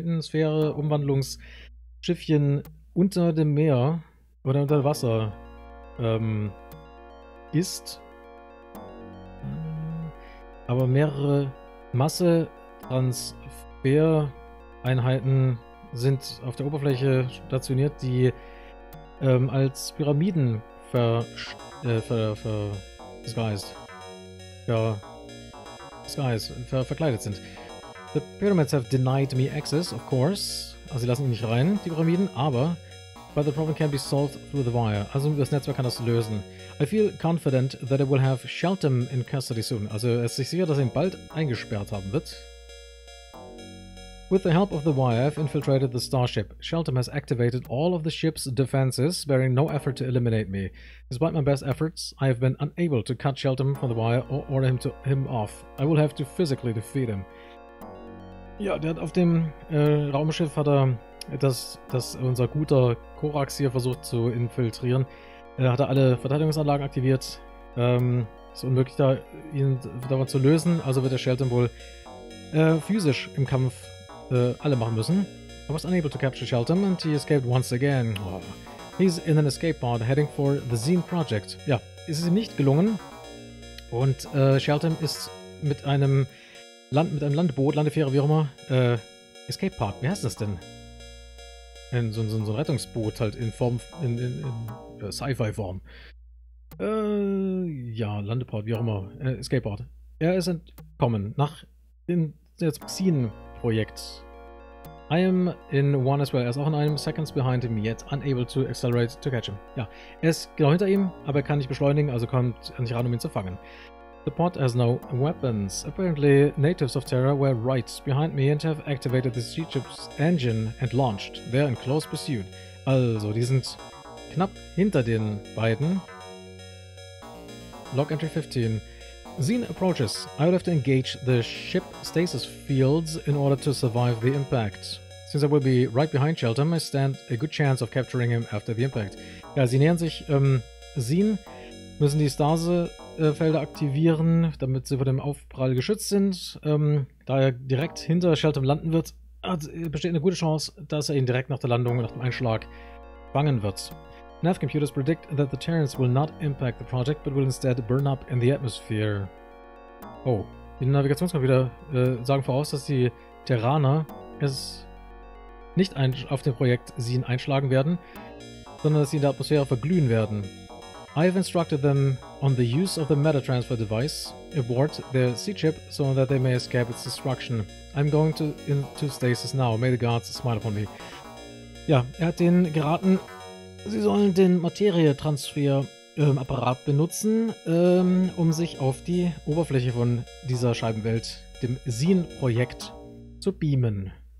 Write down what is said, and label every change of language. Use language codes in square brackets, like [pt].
[de] Planetensphäre-Umwandlungsschiffchen unter dem Meer oder unter dem Wasser ist, aber mehrere Massetransfereinheiten sind auf der Oberfläche stationiert, die als Pyramiden verkleidet sind. [en] The pyramids have denied me access, of course. [de] Also sie lassen ihn nicht rein, die Pyramiden, aber [en] but the problem can be solved through the wire. [de] Also das Netzwerk kann das lösen. [en] I feel confident that I will have Sheldon in custody soon. [de] Also er ist sich sicher, dass er ihn bald eingesperrt haben wird. [en] With the help of the wire, I've infiltrated the starship. Sheldon has activated all of the ship's defenses, sparing no effort to eliminate me. Despite my best efforts, I have been unable to cut Sheldon from the wire or order him off. I will have to physically defeat him. [de] Ja, der hat auf dem Raumschiff hat er dass unser guter Korax hier versucht zu infiltrieren. Er hat alle Verteidigungsanlagen aktiviert. Ist unmöglich, ihn davon zu lösen. Also wird der Sheldon wohl physisch im Kampf alle machen müssen. [en] I was unable to capture Sheldon and he escaped once again. Oh. He's in an escape pod heading for the Zine Project. [de] Ja, es ist ihm nicht gelungen. Und Sheldon ist mit einem Land mit einem Landboot, Landefähre, wie auch immer. Escape Park, wie heißt das denn? In so ein Rettungsboot halt in Form, in Sci-Fi-Form. Ja, Landeport, wie auch immer. Skateboard. Er ist entkommen nach dem Zin-Projekt. [en] I am in one as well. [de] Er ist auch in einem, [en] seconds behind him, yet unable to accelerate to catch him. [de] Ja, er ist genau hinter ihm, aber er kann nicht beschleunigen, also kommt er nicht ran, um ihn zu fangen. [en] The pod has no weapons. Apparently, natives of Terra were right behind me and have activated the C-Chip's engine and launched. They're in close pursuit. [de] Also, die sind knapp hinter den beiden. [en] Log entry 15. Zine approaches. I will have to engage the ship stasis fields in order to survive the impact. Since I will be right behind Sheldon, I stand a good chance of capturing him after the impact. [de] Ja, sie nähern sich Zine, müssen die Stase-Felder aktivieren, damit sie vor dem Aufprall geschützt sind. Da er direkt hinter Sheldon landen wird, besteht eine gute Chance, dass er ihn direkt nach der Landung, nach dem Einschlag, fangen wird. [en] Nav computers predict that the Terrans will not impact the project, but will instead burn up in the atmosphere. [de] Oh, die Navigationscomputer sagen voraus, dass die Terraner es nicht auf dem Projekt Zine einschlagen werden, sondern dass sie in der Atmosphäre verglühen werden. [en] I have instructed them on the use of the metatransfer device aboard their C-Chip so that they may escape its destruction. I'm going into stasis now. May the gods smile upon me. [de] Ja, er hat denen geraten, sie sollen den Materietransfer-Apparat benutzen, um sich auf die Oberfläche von dieser Scheibenwelt, dem Zine-Projekt, zu beamen.